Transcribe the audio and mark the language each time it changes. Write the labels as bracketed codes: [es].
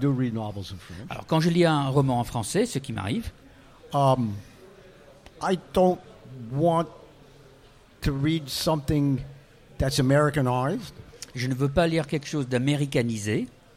[fr] Alors, quand je lis un roman en français, ce qui m'arrive, [en] I don't want to read something that's Americanized. [fr] Je ne veux pas lire quelque chose d'américanisé.